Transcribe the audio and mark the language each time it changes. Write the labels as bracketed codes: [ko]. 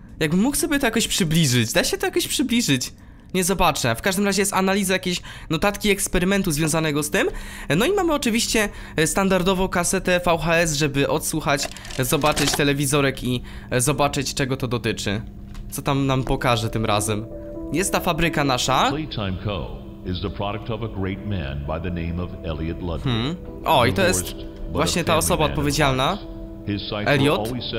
[pl] Jakbym mógł sobie to jakoś przybliżyć. Da się to jakoś przybliżyć? Nie zobaczę. W każdym razie jest analiza, jakieś notatki eksperymentu związanego z tym. No i mamy oczywiście standardowo kasetę VHS, żeby odsłuchać, zobaczyć telewizorek i zobaczyć, czego to dotyczy. Co tam nam pokaże tym razem. Jest ta fabryka nasza. Playtime Co. [en] is the product of a great man by the name of Elliot Ludwig. [pl] O, i to jest właśnie ta osoba odpowiedzialna. Elliot.